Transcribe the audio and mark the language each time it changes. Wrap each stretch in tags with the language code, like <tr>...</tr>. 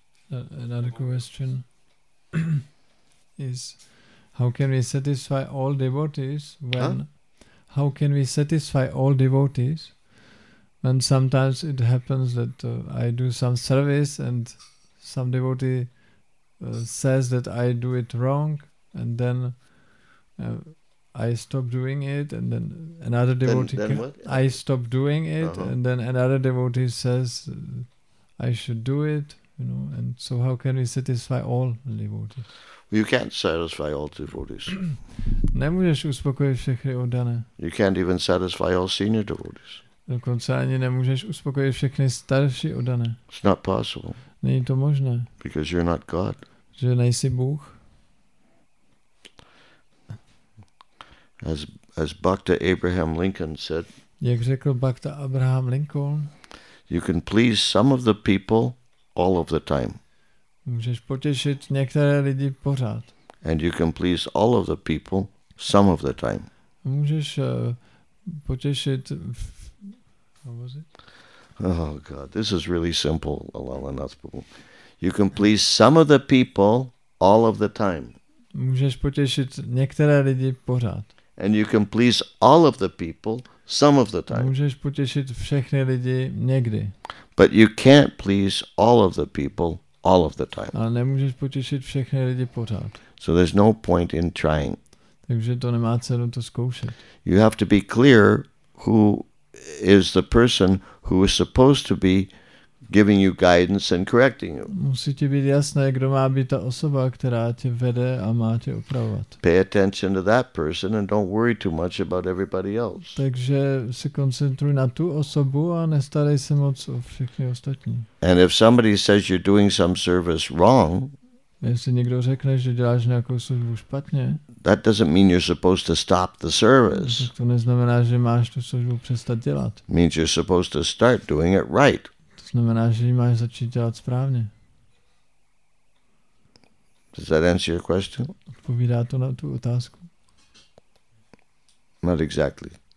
<en>Another question is, how can we satisfy all devotees when how can we satisfy all devotees when sometimes it happens that I do some service and some devotee says that I do it wrong, and then I stop doing it, and then another devotee and then another devotee says I should do it, you know, and so how can we satisfy all devotees? You can't satisfy all devotees.</en> <cs>Nemůžeš uspokojit všechny oddané.</cs> <en>You can't even satisfy all senior devotees.</en> <cs>Dokonce ani nemůžeš uspokojit všechny starší oddané.</cs> <en>It's not possible.</en> <cs>Není to možné.</cs> <en>Because you're not God.</en> <cs>Že nejsi Bůh.</cs> <en>As Bhakta Abraham Lincoln said.</en> <cs>Jak řekl Bhakta Abraham Lincoln.</cs> <en>You can please some of the people all of the time.</en> <cs>Můžeš potěšit některé lidi pořád.</cs> <en>And you can please all of the people some of the time.</en> <cs>Můžeš potěšit</cs> <en>how was it? Oh God, this is really simple, Alala Nathpubu. You can please some of the people all of the time.</en> <cs>Můžeš potěšit některé lidi pořád.</cs> <en>And you can please all of the people some of the time.</en> <cs>Můžeš potěšit všechny lidi někdy.</cs> <en>But you can't please all of the people all of the time.</en> <cs>Ale nemůžeš potěšit všechny lidi pořád.</cs> <en>So there's no point in trying.</en> <cs>Takže to nemá cenu to zkoušet.</cs> <en>You have to be clear who is the person who is supposed to be giving you guidance and correcting you.</en> <cs>Musí ti být jasné, kdo má být ta osoba, která tě vede a má tě opravovat.</cs> <en>Pay attention to that person and don't worry too much about everybody else.</en> <cs>Takže se koncentruj na tu osobu a nestarej se moc o všechny ostatní.</cs> <en>And if somebody says you're doing some service wrong,</en> <cs>jestli někdo řekne, že děláš nějakou službu špatně,</cs> <en>that doesn't mean you're supposed to stop the service.</en> <cs>To neznamená, že máš tu službu přestat dělat.</cs> <en>Means you're supposed to start doing it right.</en> <cs>Znamená, že ji máš začít dělat správně.</cs> <en>Does that answer your question?</en> <cs>Odpovídá to na tu otázku?</cs> <en>Not exactly.</en>